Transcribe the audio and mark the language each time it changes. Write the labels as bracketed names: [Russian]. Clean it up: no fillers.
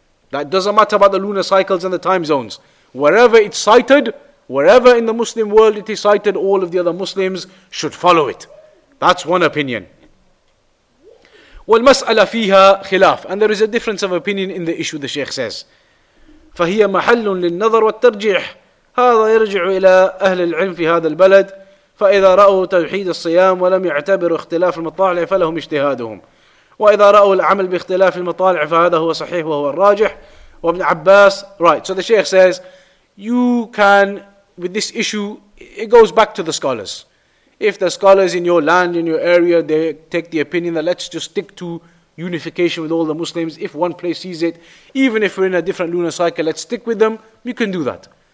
[English] That doesn't matter about the lunar cycles and the time zones. Wherever it's sighted, wherever in the Muslim world it is sighted, all of the other Muslims should follow it. That's one opinion. [Arabic] والمسألة فيها خلاف. [English] And there is a difference of opinion in the issue, the Sheikh says. [Arabic] فهي محل للنظر والترجيح. هذا يرجع إلى أهل العلم في هذا البلد. فإذا رأوا توحيد الصيام ولم يعتبروا اختلاف المطالع فلهم اجتهادهم. وإذا رأوا العمل باختلاف المطالع فهذا هو صحيح وهو الراجح. [English] وابن عباس, right. So the Sheikh says, you can, with this issue, it goes back to the scholars. If the scholars in your land, in your area, they take the opinion that let's just stick to unification with all the Muslims, if one place sees it, even if we're in a different lunar cycle, let's stick with them, we can do that.